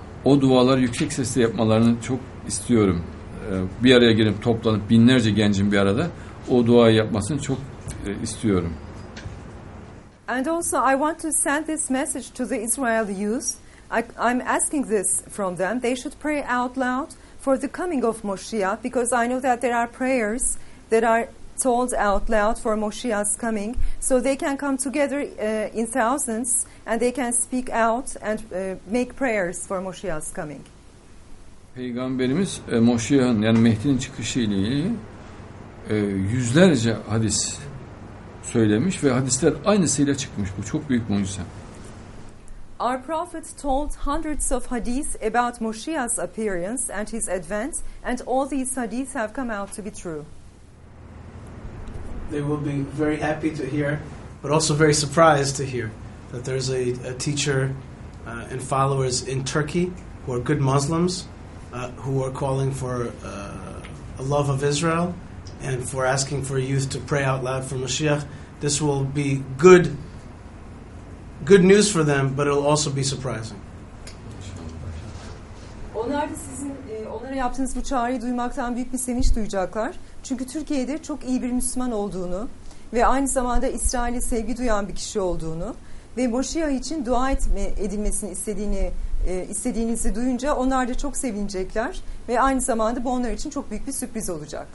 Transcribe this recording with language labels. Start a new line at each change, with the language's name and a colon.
Turkish: O duaları yüksek sesle yapmalarını çok istiyorum. Bir araya gelip toplanıp binlerce gencin bir arada o duayı yapmasını çok istiyorum.
English: And also I want to send this message to the Israel youth. I'm asking this from them. They should pray out loud for the coming of Moshiach because I know that there are prayers that are told out loud for Moshiach's coming so they can come together in thousands and they can speak out and make prayers for Moshiach's coming.
Turkish: Peygamberimiz Moşiyah'ın yani Mehdi'nin çıkışı ile ilgili yüzlerce hadis söylemiş ve hadisler aynısıyla çıkmış. Bu çok büyük mucize.
English: Our prophet told hundreds of hadith about Moshiach's appearance and his advent and all these hadith have come out to be true. They will be very happy to hear but also very surprised to hear that there's a teacher and followers in Turkey who are good Muslims who are calling for a love of Israel and for asking for youth to pray out loud for Mashiach. This will be good news for them, but it'll also be surprising.
Turkish: Onlar da sizin onlara yaptığınız bu çağrıyı duymaktan büyük bir sevinç duyacaklar. Çünkü Türkiye'de çok iyi bir Müslüman olduğunu ve aynı zamanda İsrail'e sevgi duyan bir kişi olduğunu ve Moşiyah için dua edilmesini istediğinizi duyunca onlar da çok sevinecekler ve aynı zamanda bu onlar için çok büyük bir sürpriz olacak.